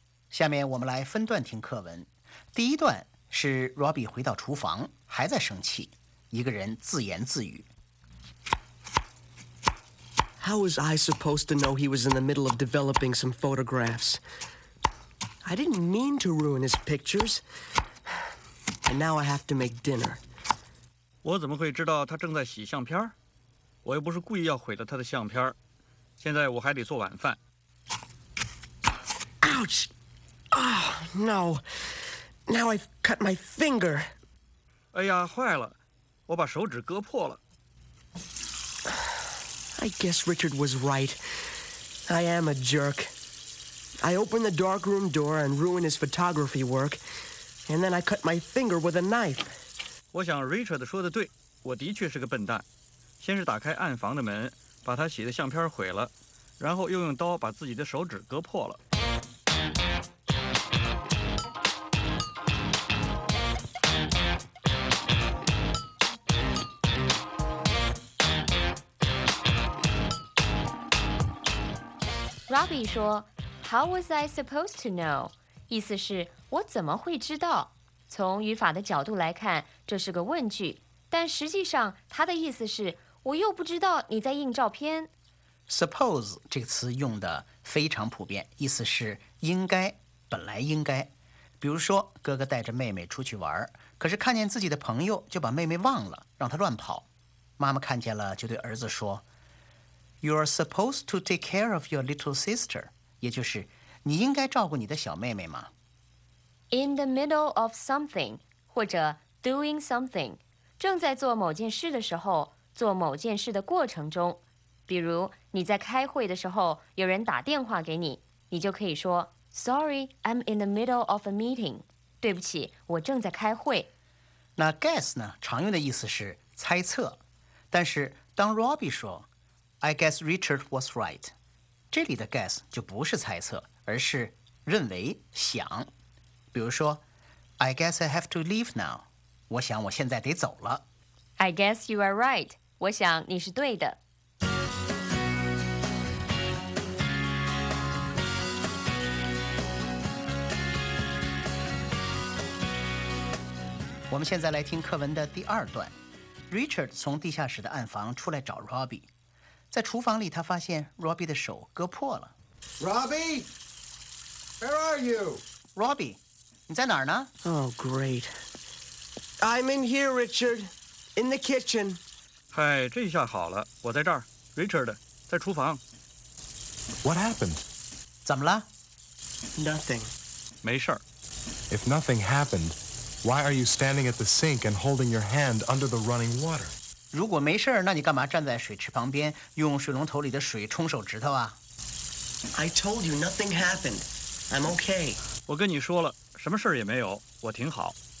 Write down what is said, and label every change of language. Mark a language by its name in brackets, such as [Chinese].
[Chinese] 下面我们来分段听课文。第一段是 Robbie 回到厨房，还在生气，一个人自言自语。 [English] How was I supposed to know he was in the middle of developing some photographs? I didn't mean to ruin his pictures. And now I have to make dinner. [Chinese] 我怎么会知道他正在洗相片？我又不是故意要毁了他的相片。现在我还得做晚饭。 [English] Ouch! Oh, no. Now I've cut my finger. [Chinese] 哎呀，坏了，我把手指割破了。 [English] I guess Richard was right. I am a jerk. I opened the darkroom door and ruined his photography work, and then I cut my finger with a knife. [Chinese] 我想 Richard 说的对，我的确是个笨蛋。先是打开暗房的门，把他洗的相片毁了，然后又用刀把自己的手指割破了。 [English] Robby 说 How was I supposed to know? [Chinese] 意思是我怎么会知道从语法的角度来看这是个问句但实际上他的意思是我又不知道你在印照片 Suppose 这个词用的非常普遍意思是应该本来应该比如说哥哥带着妹妹出去玩可是看见自己的朋友就把妹妹忘了让她乱跑妈妈看见了就对儿子说 You are supposed to take care of your little sister, 也就是你应该照顾你的小妹妹吗 In the middle of something, 或者 doing something, 正在做某件事的时候做某件事的过程中比如你在开会的时候有人打电话给你你就可以说 Sorry, I'm in the middle of a meeting. 对不起我正在开会。那 guess 呢常用的意思是猜测。 [English] 但是当 Robby 说I guess Richard was right. [Chinese] 这里的 guess 就不是猜测，而是认为、想。 [English] 比如说，I guess I have to leave now. [Chinese] 我想我现在得走了。 [English] I guess you are right. 我想你是对的。 [Chinese] 我们现在来听课文的第二段。Richard 从地下室的暗房出来找 Robby。在厨房里他发现 Robby 的手割破了 [English] Robby Where are you [Chinese] Robby 你在哪儿呢 [English] Oh great I'm in here Richard In the kitchen [Chinese] 嗨这下好了我在这儿 Richard 在厨房 [English] What happened [Chinese] 怎么了 [English] Nothing [Chinese] 没事 [English] If nothing happened Why are you standing at the sink And holding your hand under the running water [Chinese] 如果没事儿，那你干嘛站在水池旁边，用水龙头里的水冲手指头啊 [English] ？I told you nothing happened. I'm okay. [Chinese] 我跟你说了，什么事儿也没有，我挺好。